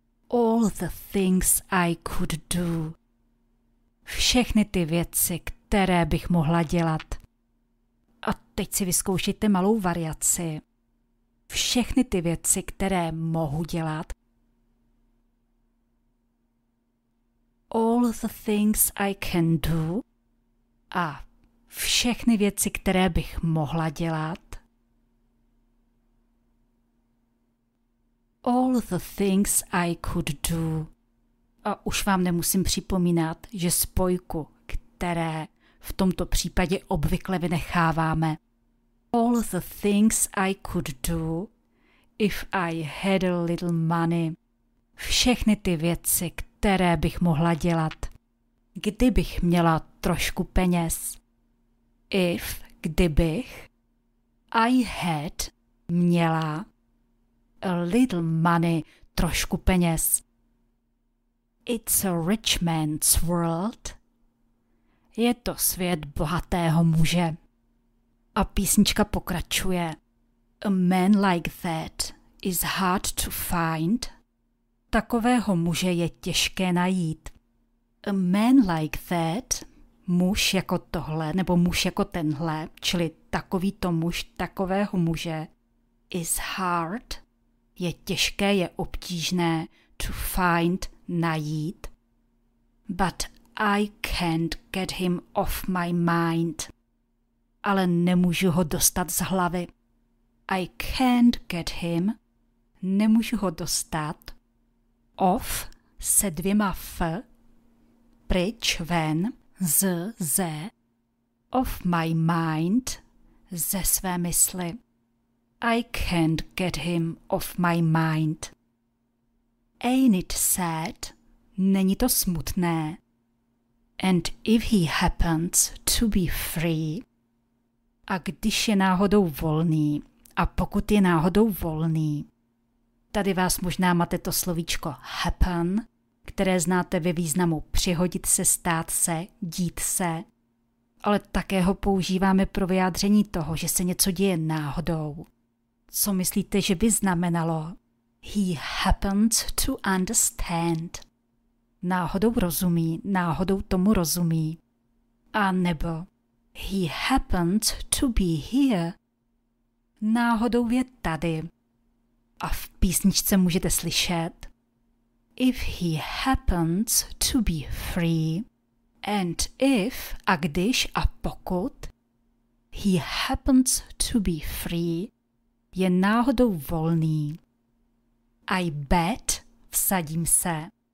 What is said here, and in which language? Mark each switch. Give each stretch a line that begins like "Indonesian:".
English: All the things I could do.
Czech: Všechny ty věci, které bych mohla dělat. A teď si vyzkoušejte malou variaci. Všechny ty věci, které mohu dělat.
English: All the things I can do.
Czech: A všechny věci, které bych mohla dělat.
English: All the things I could do.
Czech: A už vám nemusím připomínat, že spojku, které v tomto případě obvykle vynecháváme.
English: All the things I could do, if I had a little money.
Czech: Všechny ty věci, které bych mohla dělat, kdybych měla trošku peněz.
English: If, kdybych, I had, měla. A little money,
Czech: trošku peněz.
English: It's a rich man's world.
Czech: Je to svět bohatého muže. A písnička pokračuje.
English: A man like that is hard to find.
Czech: Takového muže je těžké najít.
English: A man like that,
Czech: muž jako tohle, nebo muž jako tenhle, čili takovýto muž, takového muže,
English: is hard.
Czech: Je těžké, je obtížné
English: to find,
Czech: najít.
English: But I can't get him off my mind.
Czech: Ale nemůžu ho dostat z hlavy.
English: I can't get him.
Czech: Nemůžu ho dostat. Off se dvěma F. Pryč, ven, z, ze.
English: Off my mind.
Czech: Ze své mysli.
English: I can't get him off my mind. Ain't it sad?
Czech: Není to smutné.
English: And if he happens to be free.
Czech: A když je náhodou volný. A pokud je náhodou volný. Tady vás možná máte to slovíčko happen, které znáte ve významu přihodit se, stát se, dít se. Ale také ho používáme pro vyjádření toho, že se něco děje náhodou. Co myslíte, že by znamenalo?
English: He happens to understand.
Czech: Náhodou rozumí, náhodou tomu rozumí. A nebo
English: he happens to be here.
Czech: Náhodou je tady. A v písničce můžete slyšet.
English: If he happens to be free. And if,
Czech: a když a pokud.
English: He happens to be free.
Czech: Je náhodou volný.
English: I bet,
Czech: vsadím se.